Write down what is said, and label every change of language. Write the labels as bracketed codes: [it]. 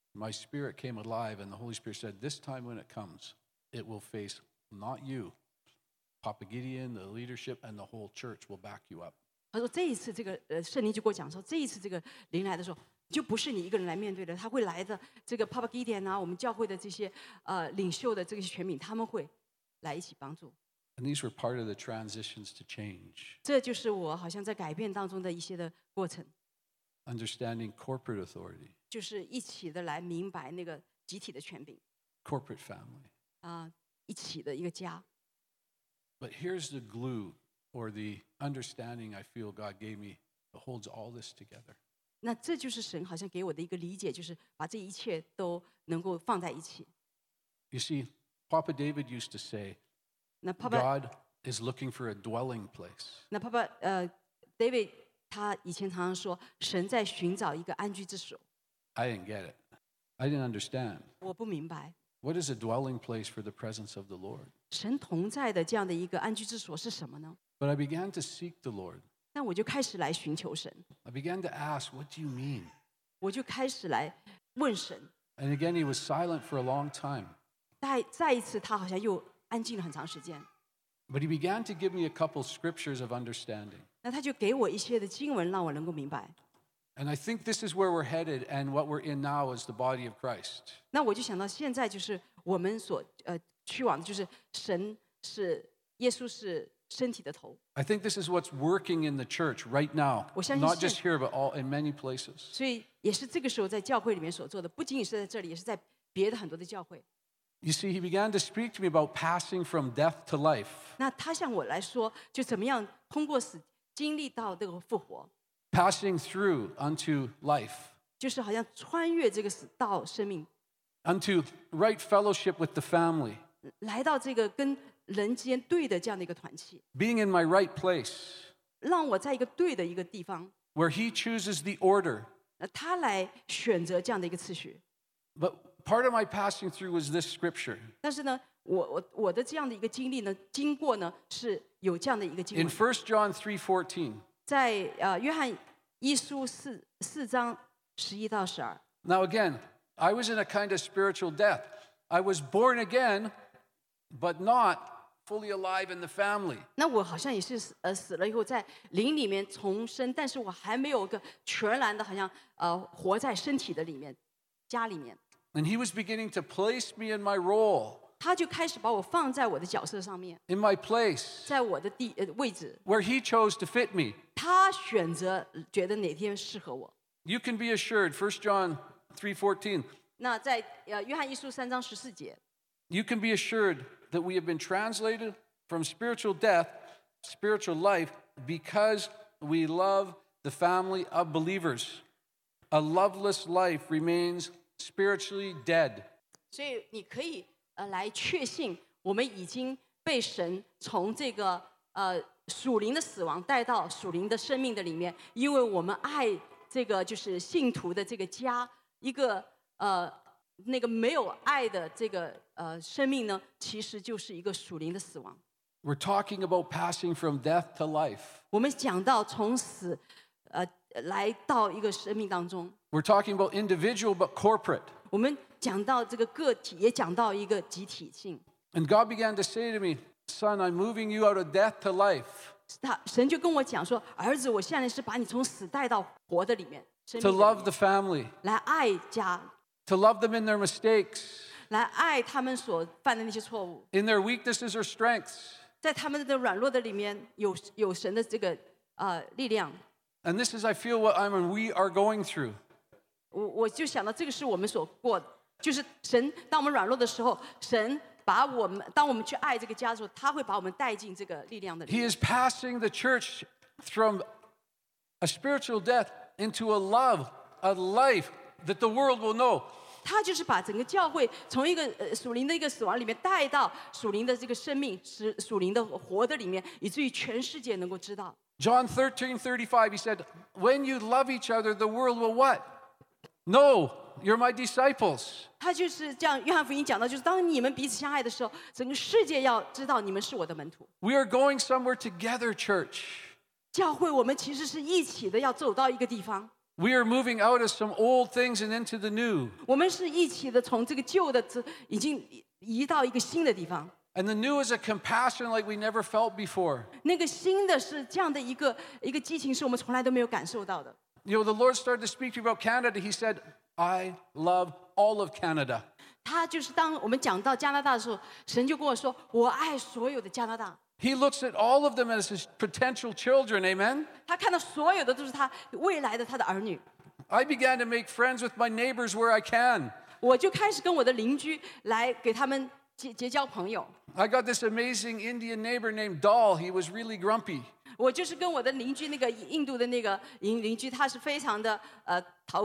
[en] my spirit came alive, and the Holy Spirit said, "This time when it comes, it will face not you, Papa Gideon, the leadership, and the whole church will back you up." [zh] 他说这一次这个圣灵就给我讲说，这一次这个灵来的时候，就不是你一个人来面对的，他会来的这个 Papa Gideon啊，我们教会的这些领袖的这些权柄，他们会来一起帮助。 [en] And these were part of the transitions to change. [zh] 这就是我好像在改变当中的一些的过程。 [en] Understanding corporate authority. [zh] 就是一起的来明白那个集体的权柄。 [en] Corporate family. [zh] 一起的一个家。 [en] But here's the glue or the understanding I feel God gave me that holds all this together. [zh] 那这就是神好像给我的一个理解，就是把这一切都能够放在一起。 [en] You see, Papa David used to say, God is looking for a dwelling place. [zh] 那 Papa David 他以前常常说，神在寻找一个安居之所。 [en] I didn't get it. I didn't understand. [zh] 我不明白。 [en] What is a dwelling place for the presence of the Lord? [zh] 神同在的这样的一个安居之所是什么呢？ [en] But I began to seek the Lord. [zh] 那我就开始来寻求神。 [en] I began to ask, what do you mean? [zh] 我就开始来问神。 [en] And again, he was silent for a long time. [zh] 再一次他好像又安静了很长时间。 [en] But he began to give me a couple scriptures of understanding. [zh] 那他就给我一些的经文让我能够明白。 [en] And I think this is where we're headed and what we're in now is the body of Christ. [zh] 那我就想到现在就是我们所去往的就是神是耶稣是 [en] I think this is what's working in the church right now, not just here, but all in many places. [zh] 所以也是这个时候在教会里面所做的，不仅仅是在这里，也是在别的很多的教会。 [en] You see, he began to speak to me about passing from death to life. [zh] 那他向我来说，就怎么样通过死经历到这个复活。 [en] Passing through unto life. [zh] 就是好像穿越这个死到生命。 [en] Unto right fellowship with the family. [zh] 来到这个跟人间对的这样的一个团契 [en] being in my right place [zh] 让我在一个对的一个地方 [en] where he chooses the order [zh] 他来选择这样的一个次序 [en] but part of my passing through was this scripture [zh] 但是呢 我的这样的一个经历呢经过呢是有这样的一个经文 [en] in 1 John 3:14 [zh] 在约翰一书四章十一到十二 [en] now again I was in a kind of spiritual death I was born againBut not fully alive in the family. [zh] 那我好像也是死了以后在灵里面重生，但是我还没有个全然的，好像活在身体的里面，家里面。 [en] And he was beginning to place me in my role. [zh] 他就开始把我放在我的角色上面。 [en] In my place. [zh] 在我的位置。 [en] Where he chose to fit me. [zh] 他选择觉得哪天适合我。 [en] You can be assured, 1 John 3:14. [zh] 那在约翰一书三章十四节。 [en] You can be assured that we have been translated from spiritual death, spiritual life, because we love the family of believers. A loveless life remains spiritually dead. [zh] 所以你可以来确信，我们已经被神从这个属灵的死亡带到属灵的生命的里面，因为我们爱这个就是信徒的这个家，一个那个没有爱的这个生命呢，其实就是一个属灵的死亡。 [en] We're talking about passing from death to life. [zh] 我们讲到从死来到一个生命当中。 [en] We're talking about individual but corporate. [zh] 我们讲到这个个体，也讲到一个集体性。 [en] And God began to say to me, "Son, I'm moving you out of death to life." [zh] 神就跟我讲说，儿子，我现在是把你从死带到活的里面。 [en] To love the family. [zh] 来爱家。 [en] To love them in their mistakes. [zh] 来爱他们所犯的那些错误。 [en] In their weaknesses or strengths. [zh] 在他们的软弱的里面有神的这个力量。 [en] And this is, I feel, what I'm and we are going through. [zh] 我就想到这个是我们所过的，就是神当我们软弱的时候，神把我们当我们去爱这个家的时候，他会把我们带进这个力量的里面。 [en] He is passing the church from a spiritual death into a love, a life. That the world will know. [zh] 他就是把整个教会从一个属灵的一个死亡里面带到属灵的这个生命，属灵的活的里面，以至于全世界能够知道。 [en] John 13:35, he said, "When you love each other, the world will what? No, you're my disciples." [zh] 他就是这样，约翰福音讲到，就是当你们彼此相爱的时候，整个世界要知道你们是我的门徒。 [en] We are going somewhere together, church. [zh] 教会我们其实是一起的，要走到一个地方。 [en] We are moving out of some old things and into the new. [zh] 我们是一起的，从这个旧的已经移到一个新的地方。 [en] And the new is a compassion like we never felt before. [zh] 那个新的是这样的一个激情，是我们从来都没有感受到的。 [en] You know, the Lord started to speak to me about Canada. He said, "I love all of Canada." [zh] 他就是当我们讲到加拿大的时候，神就跟我说，我爱所有的加拿大。 [en] He looks at all of them as his potential children, amen? [zh] 他看到所有的都是他未来的他的儿女。 [en] I began to make friends with my neighbors where I can. [zh] 我就开始跟我的邻居来给他们结交朋友。 [en] I got this amazing Indian neighbor named Dal. He was really grumpy. [zh] 我就是跟我的邻居那个印度的那个邻居，他是非常的淘